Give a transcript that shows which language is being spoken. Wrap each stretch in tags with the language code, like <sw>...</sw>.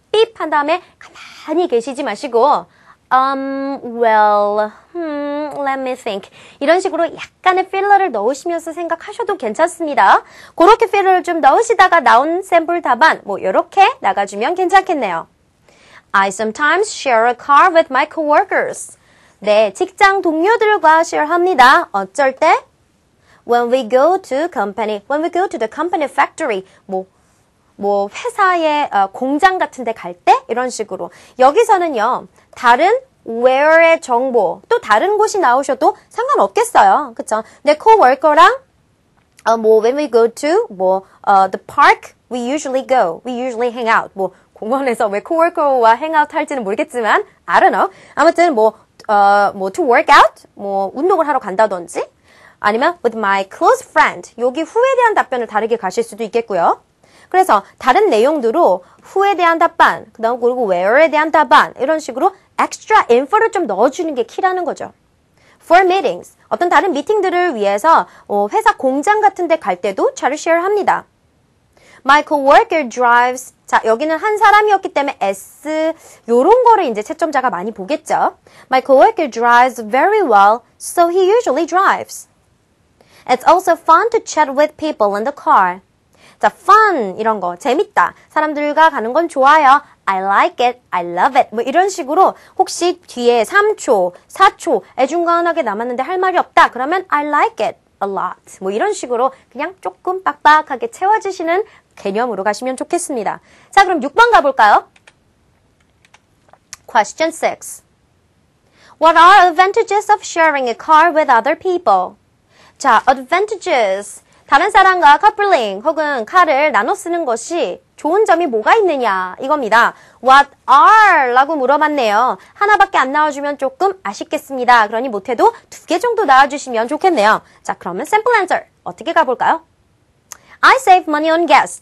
<ko>삐입 한 다음에 가만히 계시지 마시고</ko> <en>let me think.</en> <ko>이런 식으로 약간의 필러를 넣으시면서 생각하셔도 괜찮습니다. 그렇게 필러를 좀 넣으시다가 나온 샘플 답안, 뭐 이렇게 나가주면 괜찮겠네요.</ko> <en>I sometimes share a car with my coworkers.</en> <ko>네, 직장 동료들과 share합니다. 어쩔 때?</ko> <en>When we go to the company factory,</en> <ko>뭐 회사의 공장 같은 데 갈 때? 이런 식으로. 여기서는요, 다른 where의 정보, 또 다른 곳이 나오셔도 상관없겠어요. 그쵸?</ko> <en>내 co-worker랑, when we go to, the park, we usually hang out.</en> <ko>뭐, 공원에서 왜 co-worker와 hang out 할지는 모르겠지만,</ko> <en>I don't know.</en> <ko>아무튼,</ko> <en>to work out,</en> <ko>운동을 하러 간다든지, 아니면</ko> <en>with my close friend,</en> <ko>여기 who에 대한 답변을 다르게 가실 수도 있겠고요. 그래서 다른 내용들로 who에 대한 답안, 그다음 그리고 where에 대한 답안 이런 식으로 extra info를 좀 넣어주는 게 키라는 거죠.</ko> <en>For meetings,</en> <ko>어떤 다른 미팅들을 위해서 회사 공장 같은 데 갈 때도 차를 share합니다.</ko> <en>My coworker drives,</en> <ko>자 여기는 한 사람이었기 때문에 S 이런 거를 이제 채점자가 많이 보겠죠.</ko> <en>My coworker drives very well, so he usually drives. It's also fun to chat with people in the car.</en> <ko>자, fun 이런 거, 재밌다. 사람들과 가는 건 좋아요.</ko> <en>I like it. I love it.</en> <ko>뭐 이런 식으로 혹시 뒤에 3초, 4초 애중간하게 남았는데 할 말이 없다. 그러면</ko> <en>I like it a lot.</en> <ko>뭐 이런 식으로 그냥 조금 빡빡하게 채워주시는 개념으로 가시면 좋겠습니다. 자, 그럼 6번 가볼까요?</ko> <en>Question 6. What are advantages of sharing a car with other people?</en> <ko>자, advantages. 다른 사람과 커플링 혹은 카를 나눠 쓰는 것이 좋은 점이 뭐가 있느냐 이겁니다. What are 라고 물어봤네요. 하나밖에 안 나와주면 조금 아쉽겠습니다. 그러니 못해도 두 개 정도 나와주시면 좋겠네요. 자, 그러면 샘플 answer 어떻게 가볼까요?</ko> <en>I save money on gas.</en>